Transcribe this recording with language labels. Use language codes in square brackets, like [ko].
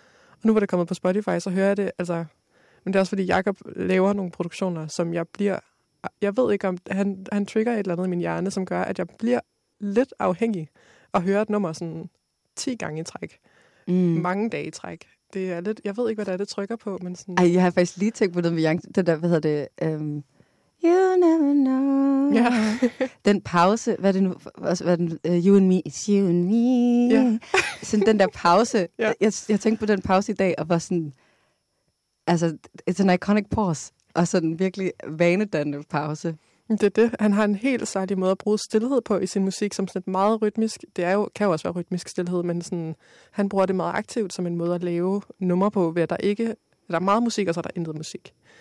[da] Og nu hvor det kommet på Spotify, så hører jeg det, altså. Men det er også, fordi Jacob laver nogle produktioner, som jeg bliver, jeg ved ikke om, han trigger et eller andet i min hjerne, som gør, at jeg bliver lidt afhængig at høre et nummer sådan 10 gange i træk. Mm. Mange dage i træk. Det er lidt, jeg ved ikke, hvad det er, det trykker på, men sådan. Ej, jeg har faktisk lige tænkt på det med Jacob, det der, hvad hedder det, You never know. [en] Yeah. [da] Den pause, hvad er det nu? Hvad er det, [en] you and me, it's you and me. Yeah. [da] Sådan den der pause. Yeah. Jeg tænkte på den pause i dag, og var sådan, altså, [en] it's an iconic pause. [da] Og sådan en virkelig vanedannende pause. Det er det. Han har en helt særlig måde at bruge stillhed på i sin musik, som sådan meget rytmisk. Det er jo, kan jo også være rytmisk stillhed, men sådan, han bruger det meget aktivt som en måde at lave nummer på, ved at der ikke, der er meget musik, og så er der intet musik.